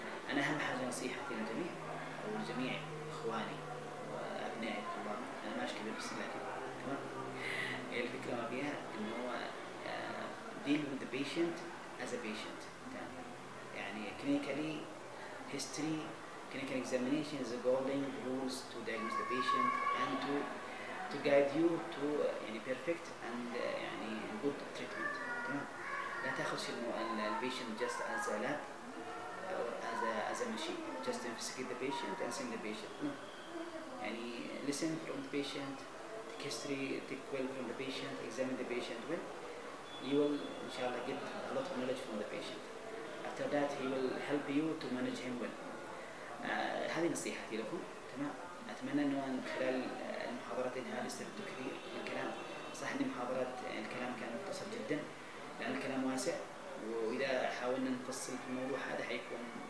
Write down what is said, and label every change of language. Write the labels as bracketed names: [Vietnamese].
[Arabic] انا اهم حاجة نصيحتي للجميع او لجميع اخواني وابنائي طبعا انا ماشي كبير بس لكن تمام هي الفكرة ما فيها انه هو [English] deal with patient as a patient [Arabic] يعني كلينيكالي هيستوري [English] clinical examination is a golden rules to diagnose the patient and to guide you to any perfect and [Arabic] يعني [English] good treatment. [Arabic] تمام. لا تاخذ شيء [English] patient just as a lab or as a machine just investigate the patient and send the patient. No. يعني listen from the patient take history take well from the patient examine the patient well you will inshallah get a lot of knowledge from the patient after that he will help you to manage him well. [Arabic] هذه نصيحتي لكم. تمام. اتمنى انه خلال المحاضرتين هذه استفدتوا كثير من الكلام. صح ان محاضرات الكلام كان مختصر جدا لان الكلام واسع واذا حاولنا نفصل في الموضوع هذا حيكون